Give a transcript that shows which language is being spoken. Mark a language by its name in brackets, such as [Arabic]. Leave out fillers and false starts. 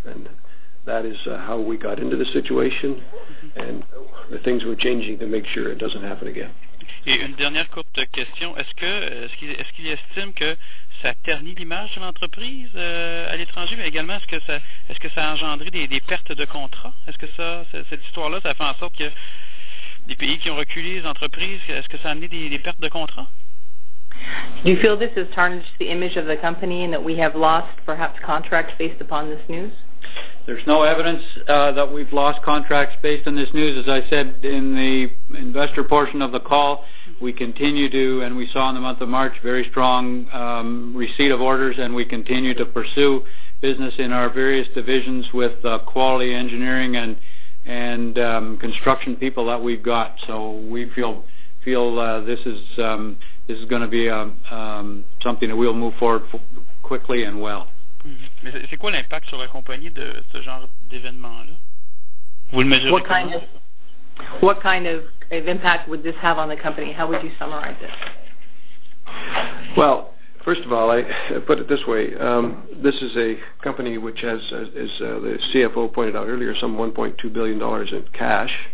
[English] And that is how we got into the situation, mm-hmm. and the things we're changing to make sure it doesn't happen again. [French] Et une dernière courte question. Est-ce qu'il estime que ça ternit l'image de l'entreprise à l'étranger, mais également est-ce que ça a engendré des pertes de contrats? Est-ce que cette histoire-là, ça fait en sorte que des pays qui ont reculé les entreprises, est-ce que ça a amené des pertes de contrats? [English] Do you feel this has tarnished the image of the company and that we have lost perhaps contracts based upon this news? There's no evidence that we've lost contracts based on this news. As I said in the investor portion of the call, we continue to, and we saw in the month of March, very strong receipt of orders, and we continue to pursue business in our various divisions with quality engineering and construction people that we've got. So we feel this is going to be something that we'll move forward quickly and well. Mm-hmm. [French] Mais c'est quoi l'impact sur la compagnie de ce genre d'événement-là? Vous le mesurez comment? [English] What kind of impact would this have on the company? How would you summarize it? Well, first of all, I put it this way. This is a company which has, as the CFO pointed out earlier, some $1.2 billion in cash.